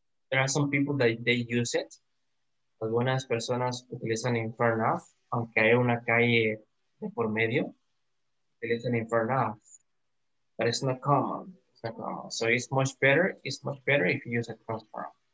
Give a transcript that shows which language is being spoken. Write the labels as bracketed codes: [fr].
[en] There are some people that they use it. [es] Algunas personas utilizan in front of, aunque hay una calle de por medio, utilizan in front of. [en] But it's not common. So it's much better if you use across from.